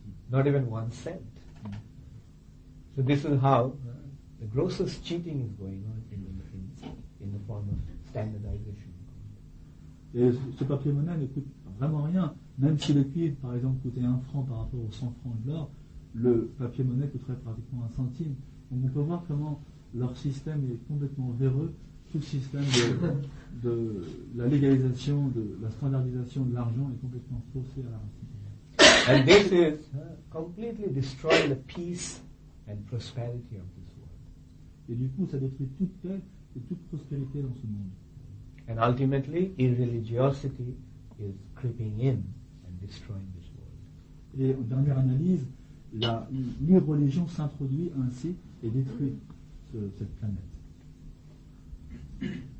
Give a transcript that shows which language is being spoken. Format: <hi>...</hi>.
<en>Not even 1 cent. So this is how the grossest cheating is going on in the form of standardization.</en> <fr>Et ce papier monnaie ne coûte vraiment rien. Même si le cuivre, par exemple, coûtait 1 franc par rapport aux 100 francs de l'or, le papier monnaie coûterait pratiquement 1 centime. Donc on peut voir comment leur système est complètement véreux, tout le système de la légalisation, de la standardisation de l'argent est complètement faussé à la racine.</fr> <en>And this is completely destroying the peace and prosperity of this world.</en> <fr>Et du coup, ça détruit toute paix et toute prospérité dans ce monde.</fr> <en>And ultimately, irreligiosity is creeping in and destroying this world.</en> <fr>Et en dernière analyse, l'irreligion s'introduit ainsi et détruit cette planète.</fr>